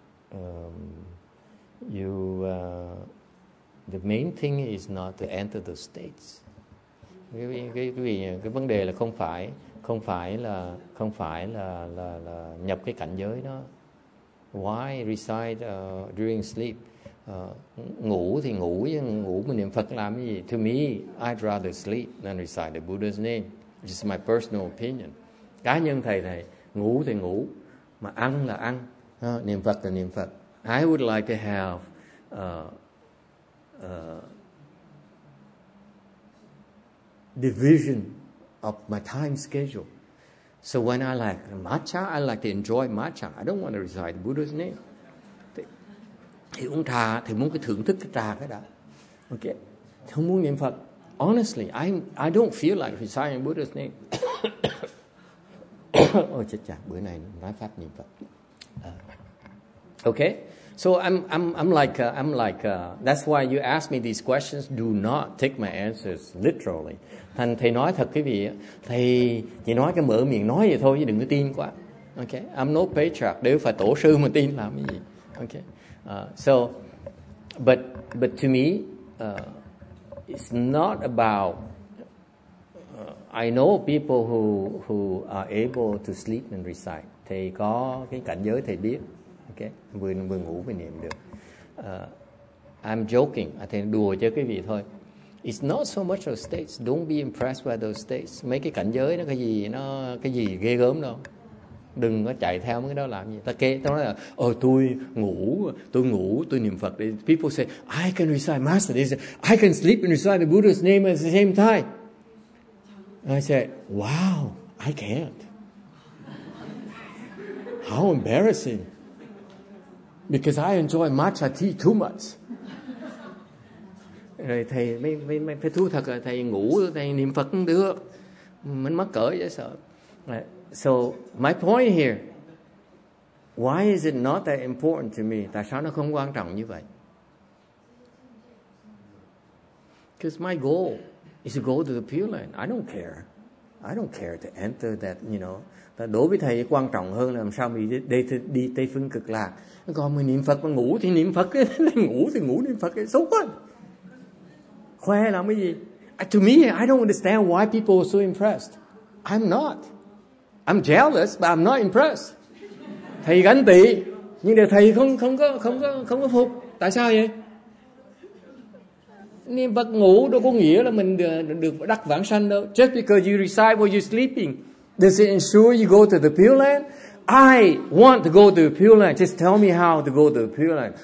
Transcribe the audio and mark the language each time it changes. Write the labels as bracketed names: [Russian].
[English] But the main thing is not to enter the states. [Vietnamese] Cái vấn đề là không phải là nhập cái cảnh giới đó. [English] Why recite during sleep? [Vietnamese] Ngủ thì ngủ, nhưng ngủ mà niệm Phật làm cái gì? [English] To me, I'd rather sleep than recite the Buddha's name. Just my personal opinion. [Vietnamese] Cá nhân thầy, ngủ thì ngủ, mà ăn là ăn, niệm Phật là niệm Phật. [English] I would like to have division of my time schedule. So when I like matcha, I like to enjoy matcha. I don't want to recite the Buddha's name. [Vietnamese] Thì uống trà, thì muốn cái thưởng thức cái trà cái đã. Okay. Thì không muốn niệm Phật. [English] Honestly, I don't feel like reciting Buddha's name. [Vietnamese] Ôi chết chà, bữa nay nói pháp niệm Phật. [English] Okay. So I'm like that's why you ask me these questions. Do not take my answers literally. [Vietnamese] Thành thầy nói thật quý vị, thầy chỉ nói cái mở miệng nói vậy thôi chứ đừng có tin quá. [English] Okay, I'm no patriarch. [Vietnamese] Đều phải tổ sư mà tin làm cái gì. [English] Okay, so but to me, it's not about. I know people who are able to sleep and recite. [Vietnamese] Thầy có cái cảnh giới thầy biết. Okay. Vừa ngủ vừa niệm được. [English] I'm joking. I think [Vietnamese] đùa chứ cái gì thôi. [English] It's not so much those states. Don't be impressed by those states. [Vietnamese] Mấy cái cảnh giới nó cái gì ghê gớm đâu. Đừng có chạy theo mấy cái đó làm gì. Tao nói là, tôi niệm Phật. [English] People say, I can recite Master. They say, I can sleep and recite the Buddha's name at the same time. I said, wow, I can't. How embarrassing. Because I enjoy matcha tea too much. [Vietnamese] Rồi thầy mới phải thú thật là thầy ngủ, thầy niệm Phật cũng được. Mình mắc cỡ vậy sợ. [English] So my point here, why is it not that important to me? [Vietnamese] Tại sao nó không quan trọng như vậy? [English] Because my goal is to go to the Pure Land. I don't care to enter that, you know. [Vietnamese] Đối với thầy quan trọng hơn là làm sao mình đi Tây Phương Cực Lạc. Còn mình niệm Phật mà ngủ thì niệm Phật, ngủ thì ngủ niệm Phật, xấu quá. Khoe làm cái gì? [English] To me, I don't understand why people are so impressed. I'm not. I'm jealous, but I'm not impressed. [Vietnamese] Thầy ganh tị, nhưng mà thầy không có phục. Tại sao vậy? Niệm Phật ngủ đâu có nghĩa là mình được đắc vãng sanh đâu. [English] Just because you recite while you're sleeping, does it ensure you go to the Pure Land? I want to go to the Pure Land. Just tell me how to go to the Pure Land.